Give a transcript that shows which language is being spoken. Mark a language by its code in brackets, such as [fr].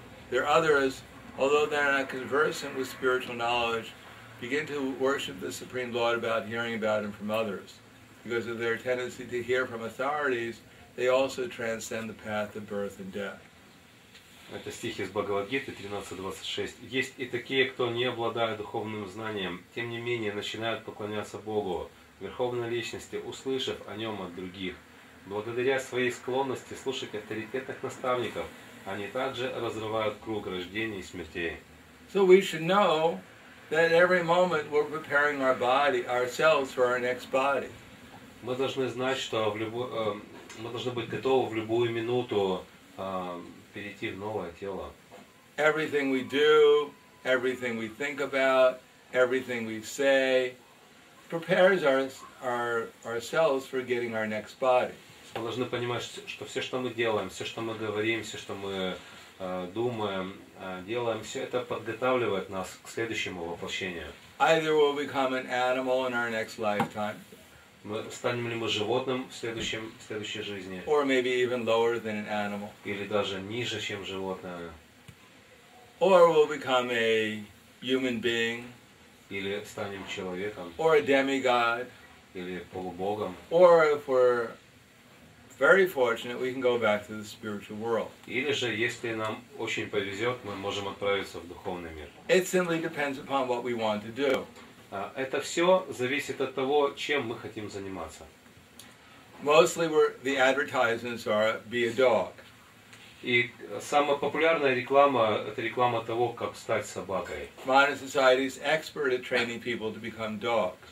[en] There are others, although they are not conversant with spiritual knowledge, begin to worship the Supreme Lord about hearing about Him from others. Because of their tendency to hear from authorities, they also transcend the path of birth and death. [ru] Это стих из Бхагавад-гиты 13.26. Есть и такие, кто, не обладая духовным знанием, тем не менее начинают поклоняться Богу, Верховной Личности, услышав о Нем от других. Благодаря своей склонности слушать авторитетных наставников, они также разрывают круг рождения и смертей. [en] So we should know that every moment we're preparing our body, ourselves for our next body. [ru] Мы должны знать, что мы должны быть готовы в любую минуту перейти в новое тело. [en] Everything we do, everything we think about, everything we say prepares ourselves for getting our next body. [ru] Мы должны понимать, что все, что мы делаем, все, что мы говорим, все, что мы думаем, делаем, все это подготавливает нас к следующему воплощению. [en] Either we'll become an animal in our next lifetime. [ru] Мы станем ли мы животным в следующей жизни? [en] Or maybe even lower than an animal. [ru] Или даже ниже, чем животное. [en] Or we'll become a human being. [ru] Или станем человеком. [en] Or a demigod. [ru] Или полубогом. [en] Or if we're very fortunate, we can go back to the spiritual world. [ru] Или же, если нам очень повезет, мы можем отправиться в духовный мир. [en] It simply depends upon what we want to do. [ru] Это все зависит от того, чем мы хотим заниматься. [en] Mostly, the advertisements are "be a dog". [ru] И самая популярная реклама – это реклама того, как стать собакой. [en] Modern society is expert at training people to become dogs.